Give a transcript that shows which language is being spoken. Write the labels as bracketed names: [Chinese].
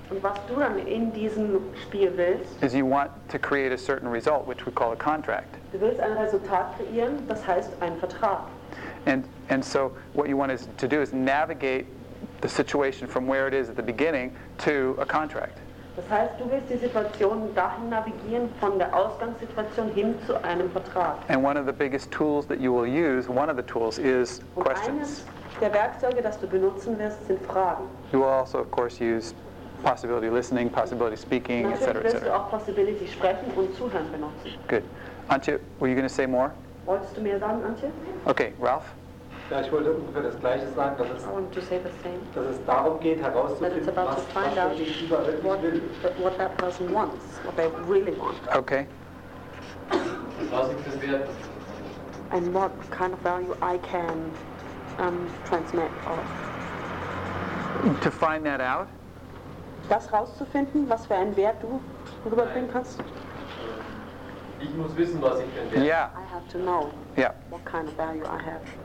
[German] und was du dann in diesem Spiel willst, [English] is you want to create a certain result, which we call a contract. [German] Du willst ein Resultat kreieren, das heißt einen Vertrag. [English] And so what you want is to do is navigate the situation from where it is at the beginning to a contract. [German] Das heißt, du willst die Situation dahin navigieren, von der Ausgangssituation hin zu einem Vertrag. [English] And one of the biggest tools that you will use, one of the tools, is [German] und [English] questions. [German] Der Werkzeuge, das du benutzen wirst, sind Fragen. [English] You will also, of course, use possibility listening, possibility speaking, etc. [German] Natürlich wirst du auch possibility sprechen und zuhören benutzen. [English] Good. Antje, were you going to say more? [German] Wolltest du mehr sagen, Antje? [English] Okay, Ralph? [German] Ja, ich wollte ungefähr das Gleiche sagen, dass es darum geht, herauszufinden, was der Gegenüber wirklich will. [English] What that person wants, what they really want. Okay. [German] Was ich das wert? [English] And what kind of value I can transmit or to find that out? [German] Das rauszufinden, was für einen Wert du rüberbringen kannst? Ich muss wissen, was ich für einen Wert habe. [English] I have to know what kind of value I have.